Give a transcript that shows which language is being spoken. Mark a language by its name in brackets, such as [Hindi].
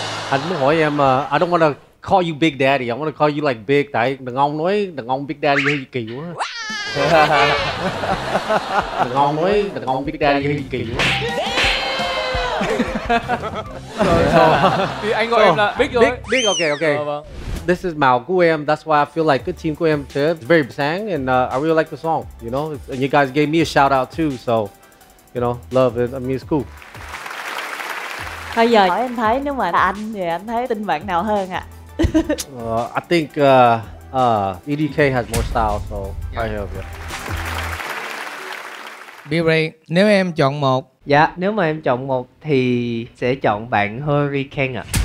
[Vietnamese] Anh muốn hỏi em, [English] I don't wanna call you Big Daddy, I wanna call you like Big. [Vietnamese] Tại đàn ông nói đàn ông Big Daddy hơi kỳ quá. Đàn ông nói đàn ông Big Daddy hơi kỳ quá. Thì anh gọi em là Big rồi. [English] Big, ok. This is [Vietnamese] màu của em, [English] that's why I feel like the team [Vietnamese] của em [English] too. It's very sang and I really like the song, you know. And you guys gave me a shout out too, so, you know, love it, I mean it's cool. [Vietnamese] Thôi giờ hỏi anh Thái, nếu mà là anh thì anh thấy tin bạn nào hơn ạ? [English] I think EDK has more style, so yeah. I have, yeah. [Vietnamese] B-Ray, nếu em chọn một. Dạ, nếu mà em chọn một thì sẽ chọn bạn Hurricane ạ.